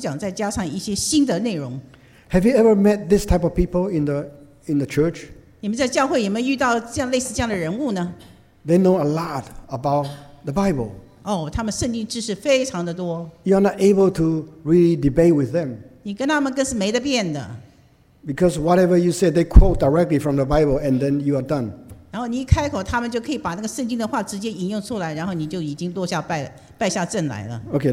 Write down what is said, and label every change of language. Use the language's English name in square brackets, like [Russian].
[Chinese] 他甚至可以把耶稣话做一个总讲，再加上一些新的内容。Have [English] you ever met this type of people in the church? [Chinese] 你们在教会有没有遇到这样类似这样的人物呢? [English] They know a lot about the Bible. [Chinese] 哦，他们圣经知识非常的多。You [English] are not able to really debate with them. [Chinese] 你跟他们更是没得辩的。Because [English] whatever you say, they quote directly from the Bible, and then you are done. [Chinese] 然后你一开口，他们就可以把那个圣经的话直接引用出来，然后你就已经落下败下阵来了。Okay,